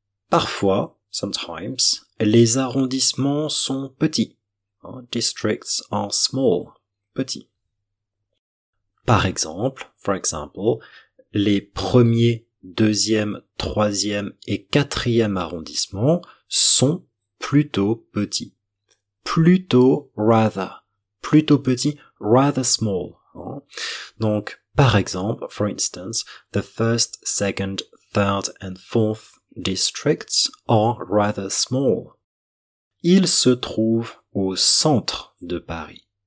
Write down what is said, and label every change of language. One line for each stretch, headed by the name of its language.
French: Parfois,
English: sometimes,
French: les arrondissements sont petits.
English: Districts are small, petits. For example,
French: les premiers, deuxième, troisième et quatrième arrondissements sont plutôt petits. Plutôt petit,
English: rather small.
French: Donc, par exemple,
English: for instance, the first, second, third and fourth districts are rather small.
French: Ils se trouvent au centre de Paris.